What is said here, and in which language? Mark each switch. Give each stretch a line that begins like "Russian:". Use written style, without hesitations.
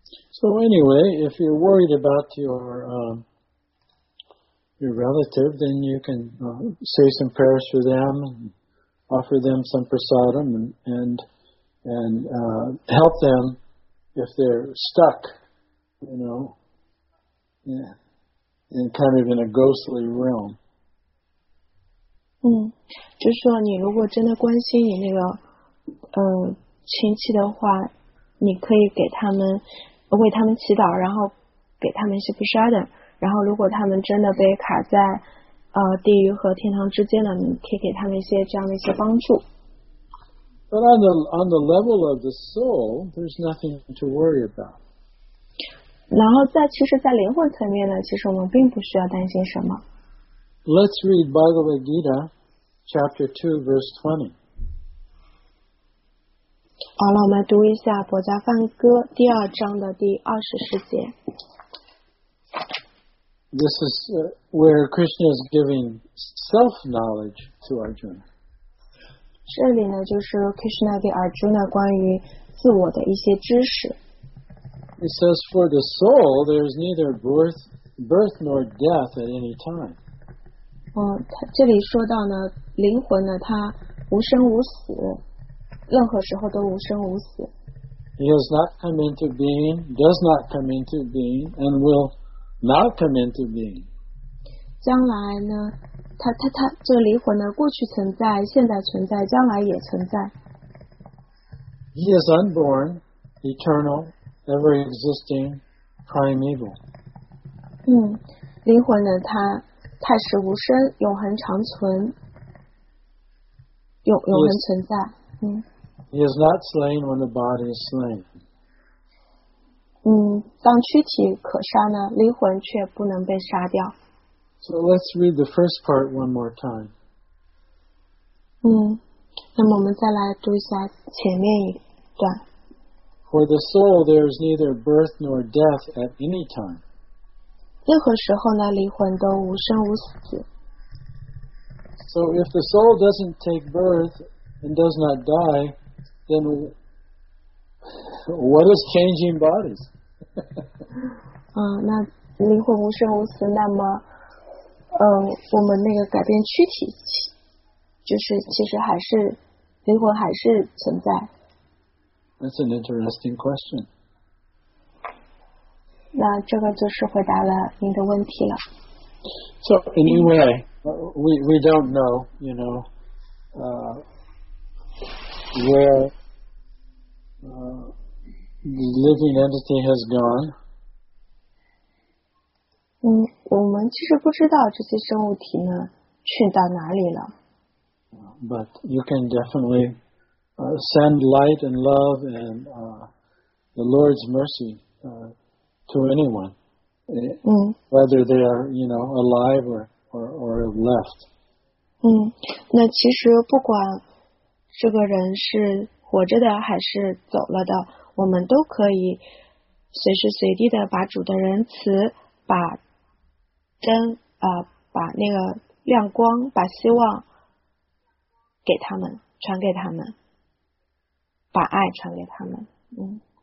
English: So anyway, if you're worried about your relative, then you can say some prayers for them. Offer them some prasadam and help them if they're stuck, you know, in kind of in a ghostly realm.
Chinese: 就是说你如果真的关心你那个亲戚的话，你可以给他们为他们祈祷，然后给他们一些prasadam，然后如果他们真的被卡在地狱和天堂之间呢，你可以给他们一些这样的一些帮助。
English: But on the level of the soul, there's nothing to worry about.
Chinese: 然后其实在灵魂层面呢，其实我们并不需要担心什么。
English: Let's read Bhagavad Gita, chapter 2, verse 20.
Chinese: 好了，我们读一下《薄伽梵歌》第二章的第二十四节。
English: This is where Krishna is giving self-knowledge to Arjuna.
Chinese: 这里呢就是 Krishna 给 Arjuna 关于自我的一些知识。
English: He says, for the soul, there is neither birth nor death at any time.
Chinese: 这里说到呢，灵魂呢，它无生无死，任何时候都无生无死。
English: He has not come into being, does not come into being, and will not come into being.
Chinese: 将来呢，它这个灵魂呢，过去存在，现在存在，将来也存在。
English: He is unborn, eternal, ever existing, primeval.
Chinese: 灵魂呢，它太始无生，永恒长存，永恒存在。
English: He is not slain when the body is slain.
Chinese: 当躯体可杀呢，灵魂却不能被杀掉。
English: So let's read the first part one more time.
Chinese: 那么我们再来读一下前面一段。
English: For the soul, there is neither birth nor death at any time.
Chinese: 任何时候呢，灵魂都无生无死。
English: So if the soul doesn't take birth and does not die, then what is changing bodies?
Chinese: 那灵魂无生无死，那么我们那个改变躯体，就是其实还是灵魂还是存在。
English: That's an interesting question.
Chinese: 那这个就是回答了您的问题了。
English: So anyway, we don't know, you know, where the living entity has gone.
Chinese: 我们其实不知道这些生物体呢去到哪里了。
English: But you can definitely send light and love and the Lord's mercy to anyone, whether they are, you know, alive or left.
Chinese: 那其实不管这个人是活着的还是走了的，我们都可以随时随地的把主的仁慈把灯把那个亮光把希望给他们传给他们把爱传给他们。